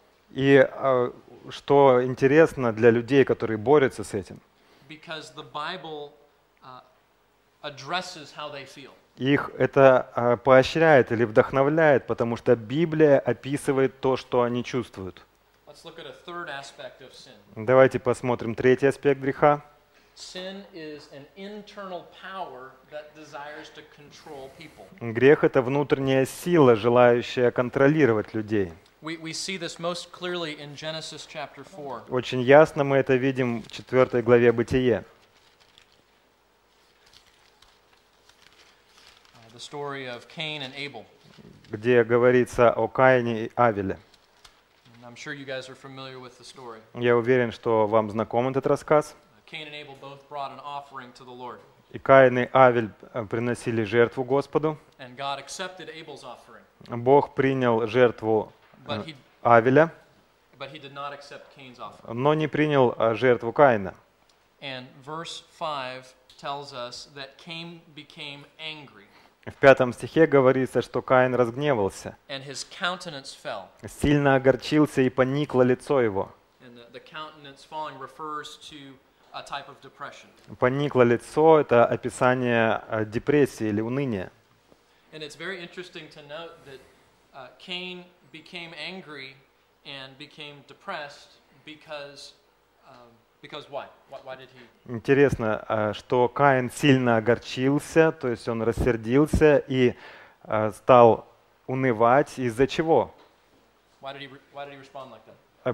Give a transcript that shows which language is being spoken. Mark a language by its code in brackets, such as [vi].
[ru] И что интересно для людей, которые борются с этим. [en] Because the Bible, addresses how they feel. [ru] Их это поощряет или вдохновляет, потому что Библия описывает то, что они чувствуют. [en] Let's look at a third aspect of sin. [ru] Давайте посмотрим третий аспект греха. [en] Sin is an internal power that desires to control people. [ru] Грех — это внутренняя сила, желающая контролировать людей. [en] We see this most clearly in Genesis chapter 4. [ru] Очень ясно мы это видим в 4 главе Бытие. [en] The story of Cain and Abel. [ru] Где говорится о Каине и Авеле. [en] I'm sure you guys are familiar with the story. [ru] Я уверен, что вам знаком этот рассказ. [en] Cain and Abel both brought an offering to the Lord. [ru] И Каин и Авель приносили жертву Господу. [en] And God accepted Abel's offering. [ru] Бог принял жертву Авеля. [en] But he did not accept Cain's offering. [ru] Но не принял жертву Каина. [en] And verse 5 tells us that Cain became angry. [ru] В 5 стихе говорится, что Каин разгневался. [en] And his countenance fell. [ru] Сильно огорчился и поникло лицо его. [en] And the countenance falling refers to a type of depression. [ru] Поникло лицо — это описание депрессии или уныния. [en] And it's very interesting to note that Cain became angry and became depressed because why? Why did he? [ru] Интересно, что Каин сильно огорчился, то есть он рассердился и стал унывать. Из-за чего? [en] Why did he respond like that?